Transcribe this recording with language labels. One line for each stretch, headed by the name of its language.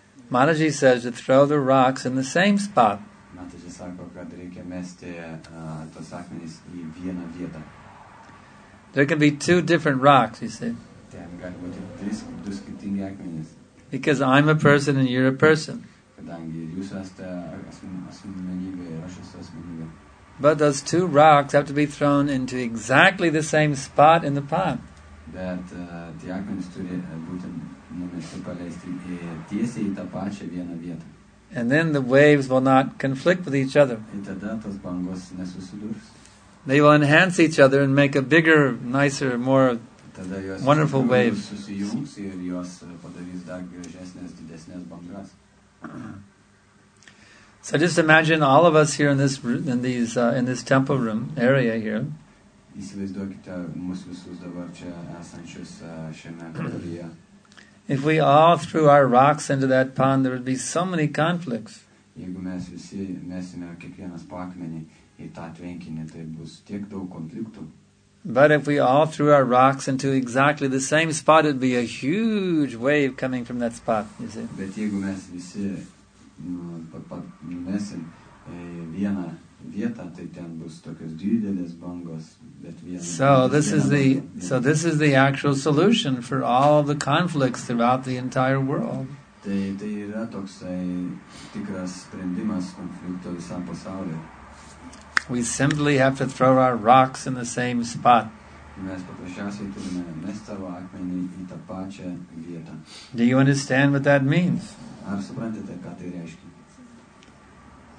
English: Mataji says to throw the rocks in the same spot.
Lithuanian: Mataji sako, kad reikia mesti tos akmenys į vieną vietą.
English: There can be two different rocks, you see.
Lithuanian: Ten gali būti du skirtingi akmenys.
English: Because I'm a person and you're a person.
Lithuanian: Kadangi jūs esate asmenybė ir aš esu asmenybė.
English: But those two rocks have to be thrown into exactly the same spot in the pond.
Lithuanian: Bet tie akmenys turi būti numesti paleisti tiesiai į tą pačią vieną vietą.
English: And then the waves will not conflict with each other.
Lithuanian: Ir tada tos bangos nesusidurs.
English: They will enhance each other and make a bigger, nicer, more wonderful wave.
Lithuanian: Susijungs ir jos padarys dar gražesnės, didesnės bangas.
English: So just imagine all of us here in this temple room area here.
Lithuanian: Įsivaizduokite mus visus dabar čia esančius šiame kambaryje.
English: If we all threw our rocks into that pond, there would be so many conflicts.
Lithuanian: Jeigu mes visi mesime kiekvienas po akmenį į tą tvenkinį, tai bus tiek daug konfliktų.
English: But if we all threw our rocks into exactly the same spot, it would be a huge wave coming from that spot, you see.
Lithuanian: Bet jeigu mes visi mesim vieną vietą, tai ten bus tokios didelės bangos.
English: So this is the actual solution for all the conflicts throughout the entire world.
Lithuanian: Tai yra toksai tikras sprendimas konflikto visam pasaulyje.
English: We simply have to throw our rocks in the same spot.
Lithuanian: Mes paprasčiausiai turime mesti savo akmenį į tą pačią vietą.
English: Do you understand what that means?
Lithuanian: Ar suprantate, ką tai reiškia?